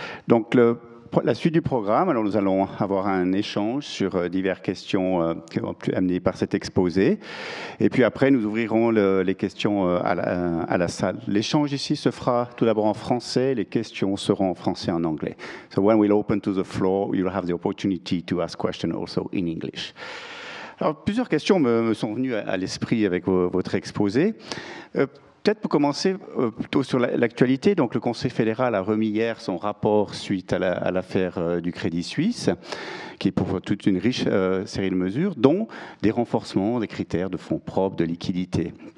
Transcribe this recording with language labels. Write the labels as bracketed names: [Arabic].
[French] Donc, la suite du programme, alors nous allons avoir un échange sur diverses questions amenées par cet exposé. Et puis après, nous ouvrirons les questions à la salle. L'échange ici se fera tout d'abord en français. Les questions seront en français et en anglais. [English] So when we'll open to the floor, you'll have the opportunity to ask questions also in English. [French] Alors, plusieurs questions me sont venues à l'esprit avec votre exposé. Peut-être pour commencer plutôt sur l'actualité, donc le Conseil fédéral a remis hier son rapport suite à l'affaire du Crédit Suisse, qui est pour toute une riche série de mesures, dont des renforcements des critères de fonds propres, de liquidité.